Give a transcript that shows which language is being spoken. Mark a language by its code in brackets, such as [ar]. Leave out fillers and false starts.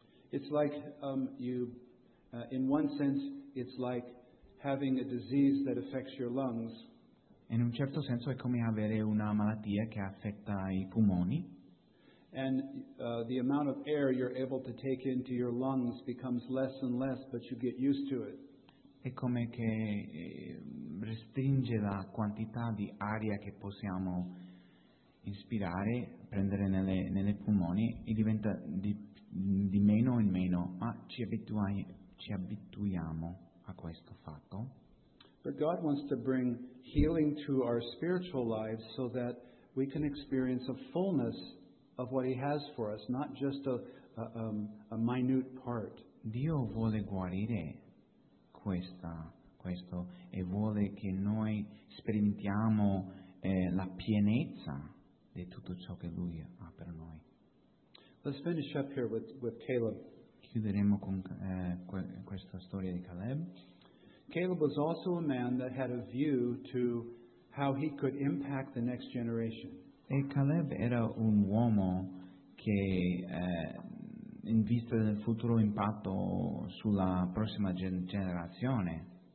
[en] It's like in one sense, it's like having a disease that affects your lungs. [it] In un certo senso è come avere una malattia che affetta i pulmoni. [en] And the amount of air you're able to take into your lungs becomes less and less, but you get used to it. [it] È come che restringe la quantità di aria che possiamo inspirare, prendere nelle pulmoni, e diventa di meno in meno, ma ci abituiamo a questo fatto. [en] But God wants to bring healing to our spiritual lives so that we can experience a fullness of what he has for us, not just a minute part. [it] Dio vuole guarire questo e vuole che noi sperimentiamo la pienezza di tutto ciò che lui ha per noi. [en] Let's finish up here with Caleb. [it] Chiuderemo con questa storia di Caleb. [en] Caleb was also a man that had a view to how he could impact the next generation. [it] E Caleb era un uomo che in vista del futuro impatto sulla prossima generazione.